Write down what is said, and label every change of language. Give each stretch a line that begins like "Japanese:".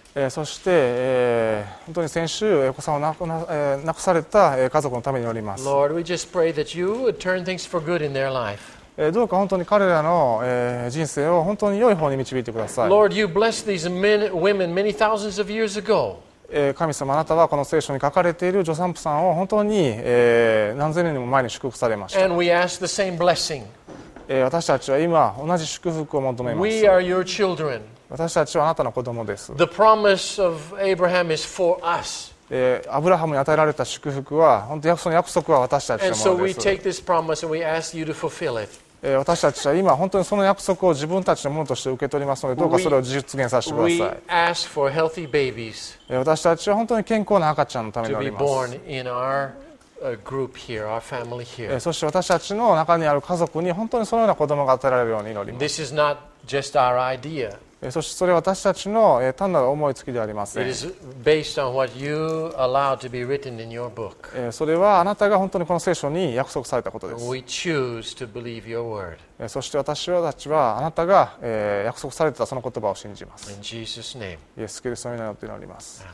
Japanese: そして、本当に先週お子さんを亡くされた家族のために祈ります。
English: Lord, we just pray that you would turn things for good in their life.
Japanese: どうか本当に彼らの人生を本当に良い方に導いてください。
English: Lord, you blessed these men, women many thousands of years ago.
Japanese: 神様、あなたはこの聖書に書かれている助産婦さんを本当に何千年も前に祝福されました。
English: And we ask the same blessing.
Japanese: 私たちは今同じ祝福を求めます。
English: We are your children.
Japanese: 私たちはあなたの子供です。
English: The promise of Abraham is for us.
Japanese: アブラハムに与えられた祝福は本当にその約束は私たちのものです。
English: And so we take this promise and we ask you to fulfill it.
Japanese: 私たちは今本当にその約束を自分たちのものとして受け取りますので、どうかそれを実現させてください。
English: We ask for healthy babies.
Japanese: 私たちは本当に健康な赤ちゃんのためにあります。
English: To be born in our group here, our family here.
Japanese: そして私たちの中にある家族に本当にそのような子供が与えられるように祈ります。
English: This is not just our idea.
Japanese: そしてそれは私たちの単なる思いつきではありません。
English: It is based on what you allow to be written in your book.
Japanese: それはあなたが本当にこの聖書に約束されたことです。
English: We choose to believe your word.
Japanese: そして私たちはあなたが約束されたその言葉を信じます。
English: In Jesus' name.
Japanese: イエス・キリストの名によって祈ります。